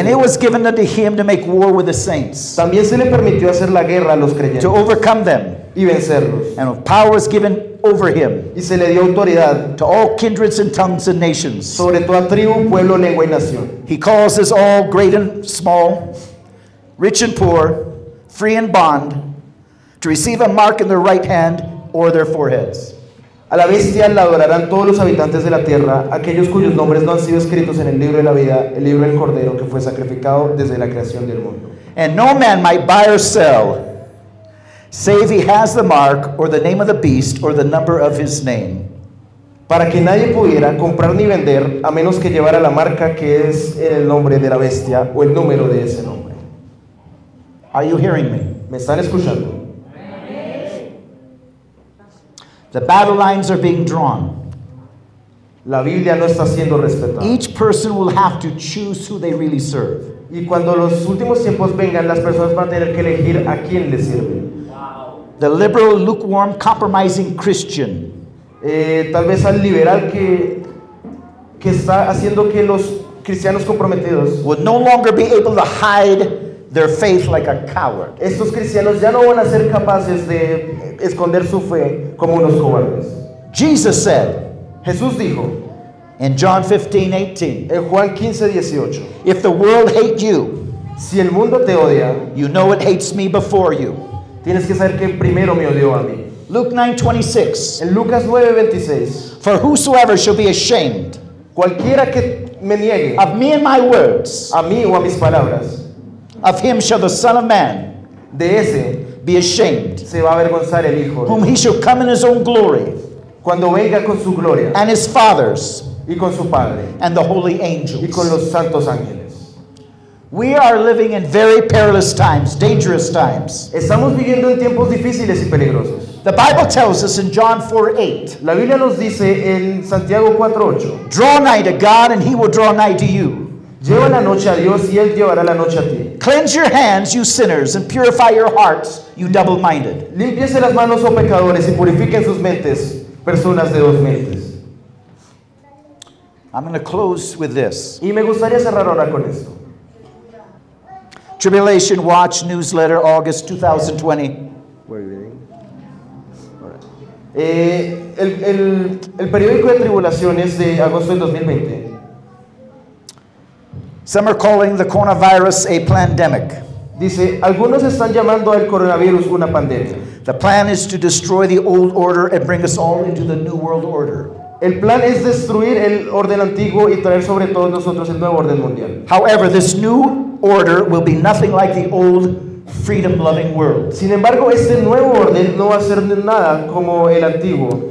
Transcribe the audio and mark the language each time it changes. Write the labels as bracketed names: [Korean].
[English] And it was given unto him to make war with the saints. [Spanish] También se le permitió hacer la guerra a los creyentes. [English] To overcome them. [Spanish] Y vencerlos. [English] And power was given over him. [Spanish] Y se le dio autoridad. [English] To all kindreds and tongues and nations. [Spanish] Sobre toda tribu, pueblo, lengua y nación. [English] He calls us all, great and small, rich and poor, free and bond, to receive a mark in their right hand or their foreheads. [Spanish] A la bestia la adorarán todos los habitantes de la tierra, aquellos cuyos nombres no han sido escritos en el libro de la vida, el libro del Cordero que fue sacrificado desde la creación del mundo. [English] And no man might buy or sell, save he has the mark, or the name of the beast, or the number of his name. [Spanish] Para que nadie pudiera comprar ni vender, a menos que llevara la marca que es el nombre de la bestia, o el número de ese nombre. [English] Are you hearing me? [Spanish] ¿Me están escuchando? [English] The battle lines are being drawn. [Spanish] La Biblia no está siendo respetada. [English] Each person will have to choose who they really serve. [Spanish] Y cuando los últimos tiempos vengan, las personas van a tener que elegir a quién les sirven. [English] Wow. The liberal, lukewarm, compromising Christian. [Spanish] Tal vez al liberal que está haciendo que los cristianos comprometidos [English] would no longer be able to hide their faith like a coward. [Spanish] Estos cristianos ya no van a ser capaces de esconder su fe como unos cobardes. [English] Jesus said, [Spanish] Jesús dijo, [English] in John 15:18, [Spanish] en Juan 15:18, [English] if the world hate you, [Spanish] si el mundo te odia, [English] you know it hates me before you. [Spanish] Tienes que saber que primero me odió a mí. [English] Luke 9:26, [Spanish] en Lucas 9:26, [English] for whosoever shall be ashamed, [Spanish] cualquiera que me niegue, [English] of me and my words, [Spanish] a mí o a mis palabras, [English] of him shall the Son of Man, [Spanish] de ese, [English] be ashamed. [Spanish] Se va a avergonzar el Hijo. [English] Whom he shall come in his own glory. [Spanish] Cuando venga con su gloria. [English] And his fathers. [Spanish] Y con su padre. [English] And the holy angels. [Spanish] Y con los santos ángeles. [English] We are living in very perilous times, dangerous times. [Spanish] Estamos viviendo en tiempos difíciles y peligrosos. [English] The Bible tells us in John 4:8. [Spanish] La Biblia nos dice en Santiago 4:8. [English] Draw nigh to God, and he will draw nigh to you. [Spanish] Lleva la noche a Dios y Él llevará la noche a ti. [English] Cleanse your hands, you sinners, and purify your hearts, you double-minded. [Spanish] Límpiese las manos, oh pecadores, y purifiquen sus mentes, personas de dos mentes. [English] I'm going to close with this. [Spanish] Y me gustaría cerrar ahora con esto. [English] Tribulation Watch Newsletter, August 2020. Where are you reading? All right. [Spanish] El periódico de tribulaciones de agosto del 2020. [English] Some are calling the coronavirus a pandemic. [Spanish] Dice, algunos están llamando al coronavirus una pandemia. [English] The plan is to destroy the old order and bring us all into the new world order. [Spanish] El plan es destruir el orden antiguo y traer sobre todos nosotros el nuevo orden mundial. [English] However, this new order will be nothing like the old freedom-loving world. [Spanish] Sin embargo, este nuevo orden no va a ser nada como el antiguo.